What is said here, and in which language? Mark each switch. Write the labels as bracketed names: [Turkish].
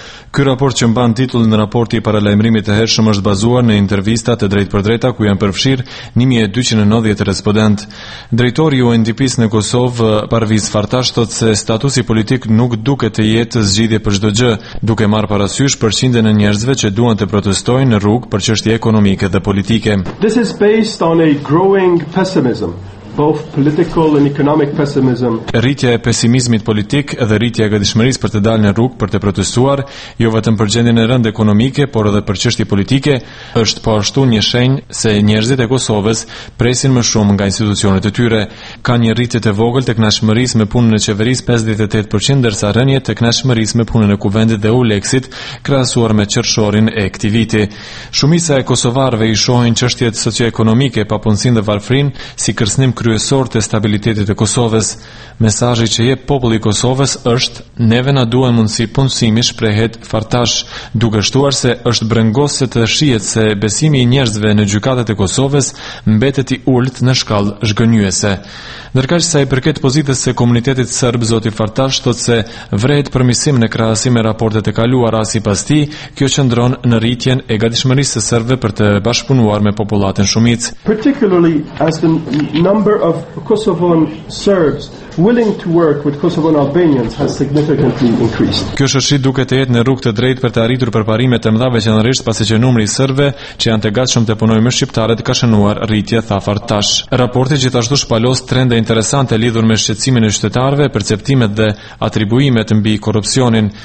[Albanian] Ky raport që mban titullin Raporti i paralajmërimit të hershëm është bazuar në intervista të drejtpërdrejta ku janë përfshirë 1290 respondent. Drejtori i UNDP-s në Kosovë, Parviz Fartash, thotë se statusi politik nuk duket të jetë zgjidhje për çdo gjë, duke marrë parasysh përqindjen e njerëzve që duan të protestojnë në rrugë për çështje ekonomike dhe politike. [English] This is based on a growing pessimism. Both political and economic pessimism. [Albanian] Rritja e pesimizmit politik dhe rritja e gatishmërisë për të dalë në rrugë për të protestuar, jo vetëm për gjendjen e rëndë ekonomike, por edhe për çështje politike, është po ashtu një shenjë se njerëzit e Kosovës presin më shumë nga institucionet e tyre. Ka një rritje të vogël të kënaqshmërisë me punën e qeverisë 58%, ndërsa rënje të kënaqshmërisë me punën e kuvendit dhe uleksit krahasuar me qershorin e këtij viti. Shumica e kosovarëve i shohin çështjet socioekonomike, papunësinë dhe varfërinë si kërcënim kryesor të stabilitetit të Kosovës. Mesazhi që jep populli i Kosovës është: neve na duhet mundësi punësimi, shprehet Fartash, duke shtuar se është brengos se të shihet se besimi i njerëzve në gjykatat e Kosovës mbetet i ulët në shkallë zhgënjyese. Ndërkaq sa i përket pozitës së komunitetit serb, zoti Fartash thotë se vret përmirësim në krahasim me raportet e kaluara, sipas tij kjo qëndron në rritjen e gatishmërisë së serbëve për të bashkëpunuar me popullatën shumicë. [English] Particularly as the number of Kosovan Serbs willing to work with Kosovan Albanians has significantly increased. [Albanian] Kjo shoqëri duke të jetë në rrugë të drejtë për të arritur përparime të mëdha veçanërisht pasi që numri i serbëve që janë të gatshëm të punojnë me shqiptarët ka shënuar rritje, tha Fartash. Raporti gjithashtu shpalos trende interesante lidhur me shqetësimin e qytetarëve, perceptimet dhe atribuimet mbi korrupsionin.